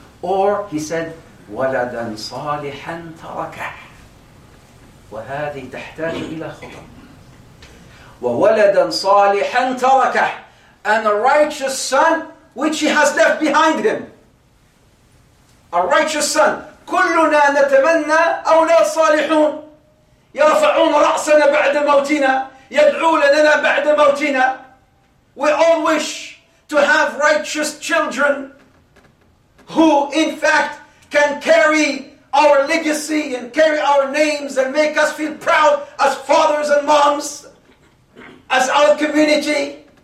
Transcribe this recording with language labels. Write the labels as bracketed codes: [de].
[en] Or he said, [ar] وَلَدًا صَالِحًا تَرَكَحْ. وَهَذِي تَحْتَاجُ إِلَى خُطَبْ. وَوَلَدًا صَالِحًا تَرَكَحْ. [en] And a righteous son, which he has left behind him. A righteous son. [ar] كلنا نتمنى أولاد صالحون يرفعون رأسنا بعد موتنا يدعو لنا بعد موتنا. [en] We all wish to have righteous children who in fact can carry our legacy and carry our names and make us feel proud as fathers and moms, as our community.